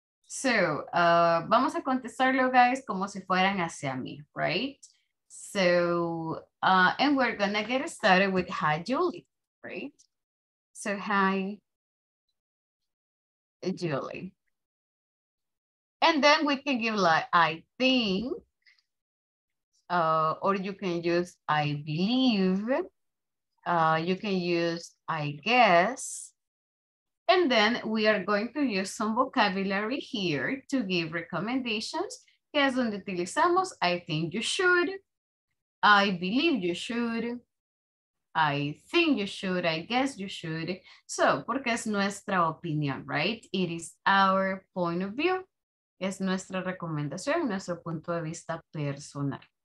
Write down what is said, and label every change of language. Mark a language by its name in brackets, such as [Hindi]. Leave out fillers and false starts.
[Spanish] So, vamos a contestarlo, guys, como si fueran hacia mí, right? [English] So, and we're gonna get started with hi, Julie, right? So, hi, Julie. And then we can give like, I think, or you can use, I believe. You can use, I guess. And then we are going to use some vocabulary here to give recommendations. [Spanish] Que es donde utilizamos, [English] I think you should, I believe you should, I think you should, I guess you should. So, [Spanish] porque es nuestra opinión, [English] right? It is our point of view. [Spanish] Es nuestra recomendación, nuestro punto de vista personal.